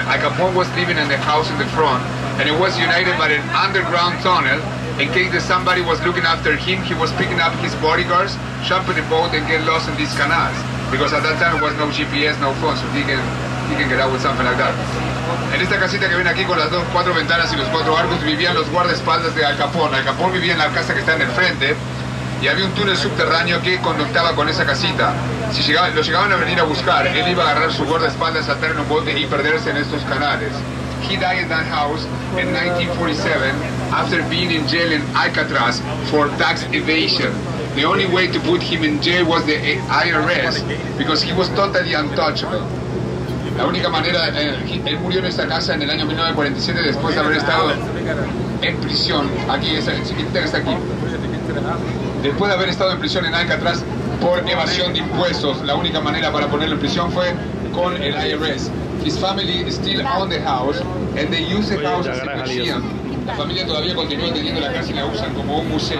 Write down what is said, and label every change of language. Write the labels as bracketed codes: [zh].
[en] Al Capone was living in the house in the front, and it was united by an underground tunnel. In case that somebody was looking after him, he was picking up his bodyguards, jumping the boat and get lost in these canals. Because at that time, there was no GPS, no phone, so he can get out with something like that. [es] En esta casita que ven aquí con las dos, cuatro ventanas y los cuatro arcos, vivían los guardaespaldas de Al Capone. Al Capone vivía en la casa que está en el frente, y había un túnel subterráneo que conectaba con esa casita. Si lo llegaban a venir a buscar, él iba a agarrar su guardaespaldas, saltar en un bote y perderse en estos canales. [en] He died in that house in 1947 after being in jail in Alcatraz for tax evasion. The only way to put him in jail was the IRS because he was totally untouchable. [es] La única manera, él murió en esta casa en el año 1947 después de haber estado en prisión. Aquí, esa chiquita que está aquí. Después de haber estado en prisión en Alcatraz por evasión de impuestos, la única manera para ponerlo en prisión fue con el IRS. [en] His family still own the house and they use the house as a museum. [es] La familia todavía continúa teniendo la casa y la usan como un museo.